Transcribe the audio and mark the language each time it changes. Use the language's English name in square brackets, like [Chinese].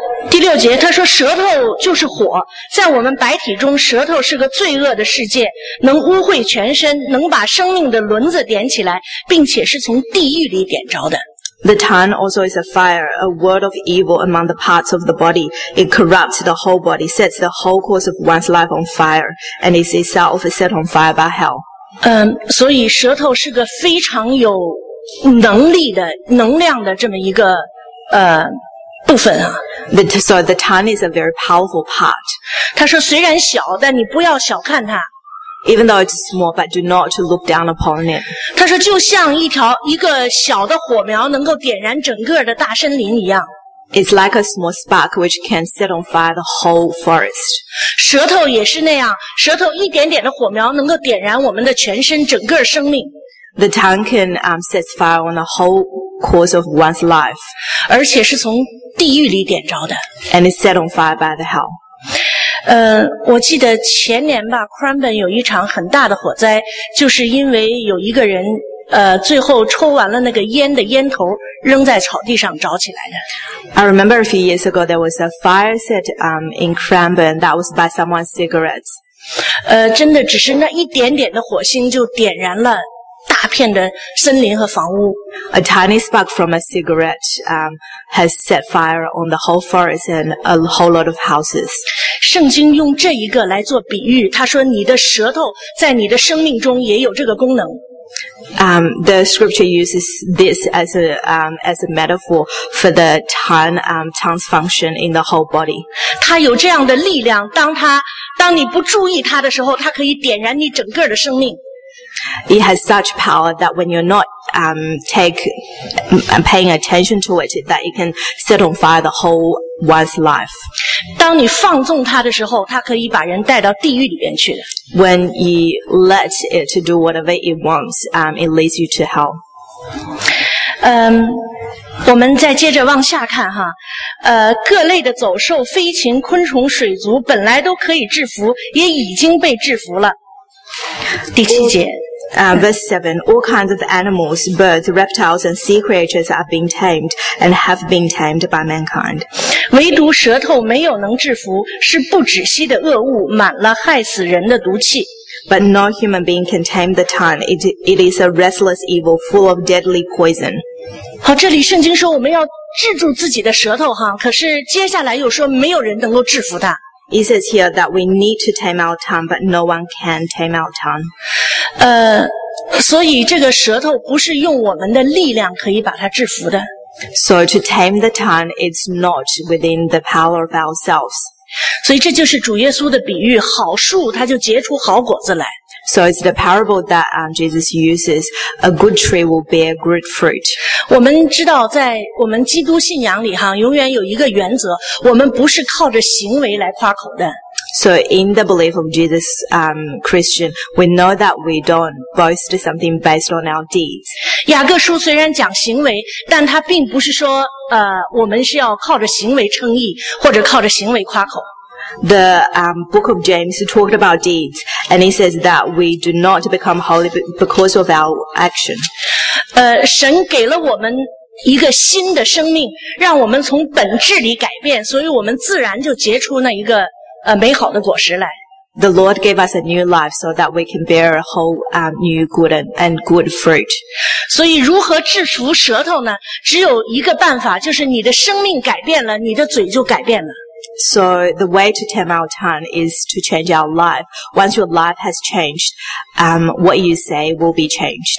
[Chinese] 第六节，他说舌头就是火，在我们白体中，舌头是个罪恶的世界，能污秽全身，能把生命的轮子点起来，并且是从地狱里点着的。 [English] The tongue also is a fire, a word of evil among the parts of the body. It corrupts the whole body, sets the whole course of one's life on fire, and is itself set on fire by hell. [Chinese] 所以舌头是个非常有能力的能量的这么一个部分啊。 [English] So the tongue is a very powerful part. [Chinese] 他说虽然小，但你不要小看它。 [English] Even though it's small, but do not look down upon it. [Chinese] 他说就像一个小的火苗能够点燃整个的大森林一样。 [English] It's like a small spark which can set on fire the whole forest. [Chinese] 舌头也是那样，舌头一点点的火苗能够点燃我们的全身整个生命。 [English] The tongue can set fire on the whole course of one's life. [Chinese] 而且是从地狱里点着的。 [English] And it's set on fire by the hell. [Chinese] 我记得前年吧 ,Cranbourne 有一场很大的火灾，就是因为有一个人最后抽完了那个烟的烟头扔在草地上着起来的。 [English] I remember a few years ago, there was a fire set, in Cranbourne that was by someone's cigarettes. [Chinese] 真的只是那一点点的火星就点燃了大片的森林和房屋。 [English] A tiny spark from a cigarette, has set fire on the whole forest and a whole lot of houses. [Chinese] 圣经用这一个来做比喻，他说你的舌头在你的生命中也有这个功能。 [English] The scripture uses this as a metaphor for the tongue's function in the whole body. [Chinese] 它有这样的力量，当你不注意它的时候，它可以点燃你整个的生命。 [English] It has such power that when you're not paying attention to it, that it can set on fire the whole one's life. [Chinese] 当你放纵它的时候，它可以把人带到地狱里边去。 [English] When you let it do whatever it wants, it leads you to hell. [Chinese] 我们再接着往下看哈，各类的走兽、飞禽、昆虫、水族本来都可以制服，也已经被制服了。第七节 [English] verse 7, all kinds of animals, birds, reptiles, and sea creatures are being tamed and have been tamed by mankind. [Chinese] 唯独舌头没有能制服，是不止息的恶物，满了害死人的毒气。 [English] But no human being can tame the tongue. It is a restless evil full of deadly poison. [Chinese] 好，这里圣经说我们要制住自己的舌头哈，可是接下来又说没有人能够制服它。 [English] It says here that we need to tame our tongue, but no one can tame our tongue. [Chinese] 所以这个舌头不是用我们的力量可以把它制服的。 [English] So to tame the tongue, it's not within the power of ourselves. [Chinese] 所以这就是主耶稣的比喻，好树它就结出好果子来。 [English] So it's the parable that Jesus uses, a good tree will bear good fruit. [Chinese] 我们知道在我们基督信仰里哈，永远有一个原则，我们不是靠着行为来夸口的。 [English] So in the belief of Jesus, Christian, we know that we don't boast something based on our deeds. [Chinese] 雅各书虽然讲行为，但它并不是说我们是要靠着行为称义，或者靠着行为夸口。 [English] The book of James talked about deeds, and he says that we do not become holy because of our action. [Chinese] 神给了我们一个新的生命，让我们从本质里改变，所以我们自然就结出那一个美好的果实来。 [English] The Lord gave us a new life so that we can bear a whole new good and good fruit. [Chinese] 所以如何制服舌头呢？只有一个办法，就是你的生命改变了，你的嘴就改变了。 [English] So the way to tame our tongue is to change our life. Once your life has changed, what you say will be changed.